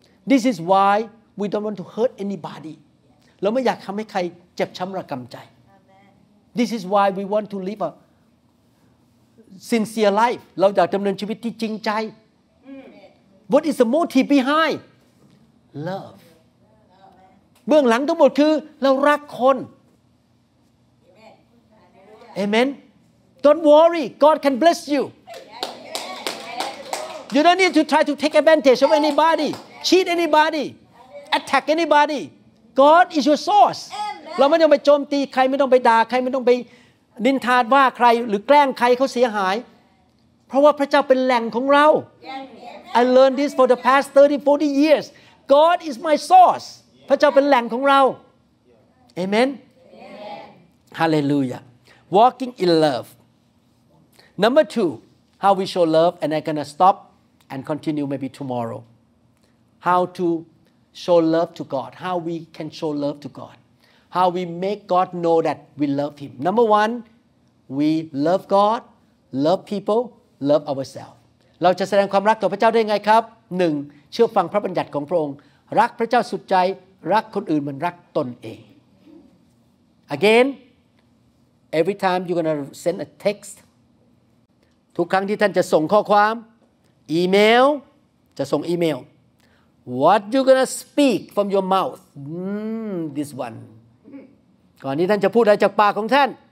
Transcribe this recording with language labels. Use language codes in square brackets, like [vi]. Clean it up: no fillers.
[en] This is why we don't want to hurt anybody [th] เราไม่อยากทำให้ใครเจ็บช้ำระกำใจ [en] This is why we want to live a sincere life [th] เราอยากดำเนินชีวิตที่จริงใจ [en] What is the motive behindLove. [th] เบื้องหลังทั้งหมดคือเรารักคน [en] Amen. Don't worry. God can bless you. You don't need to try to take advantage of anybody, cheat anybody, attack anybody. God is your source. [th] เราไม่ต้องไปโจมตีใครไม่ต้องไปด่าใครไม่ต้องไปนินทาว่าใครหรือแกล้งใครเขาเสียหายเพราะว่าพระเจ้าเป็นแหล่งของเรา [en] I learned this for the past 30, 40 years. God is my source. Yeah. [th] พระเจ้าเป็นแหล่งของเรา [en] yeah. Amen. Yeah. Hallelujah. Walking in love. Number two, how we show love, and I'm gonna stop and continue maybe tomorrow. How to show love to God? How we can show love to God? How we make God know that we love Him? Number one, we love God, love people, love ourselves. [th] เราจะแสดงความรักต่อพระเจ้าได้ไงครับ หนึ่งเชื่อฟังพระบัญญัติของพระองค์รักพระเจ้าสุดใจรักคนอื่นเหมือนรักตนเอง [en] Again every time you're going to send a text [th] ทุกครั้งที่ท่านจะส่งข้อความอีเมลจะส่งอีเมล [en] What you're going to speak from your mouth this one [th] ก่อนที่ท่านจะพูดอะไรจากปากของท่าน